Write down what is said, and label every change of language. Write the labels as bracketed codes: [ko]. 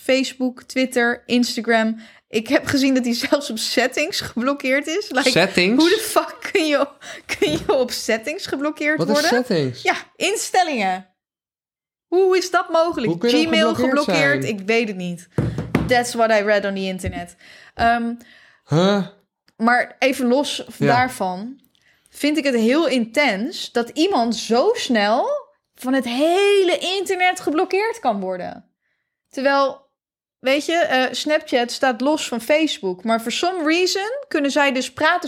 [nl] Facebook, Twitter, Instagram. Ik heb gezien dat hij zelfs op settings geblokkeerd is. [en] Like, settings? [nl] Hoe de fuck kun je op settings geblokkeerd [en] What [nl] worden? Wat is settings? Ja, instellingen. Hoe is dat mogelijk? Hoe kun je Gmail geblokkeerd zijn? Ik weet het niet. [en] That's what I read on the internet. [nl] Maar even los daarvan. Vind ik het heel intens dat iemand zo snel van het hele internet geblokkeerd kan worden. Terwijl... Weet je, Snapchat staat los van Facebook. Maar [en] for some reason [nl] kunnen zij dus praten.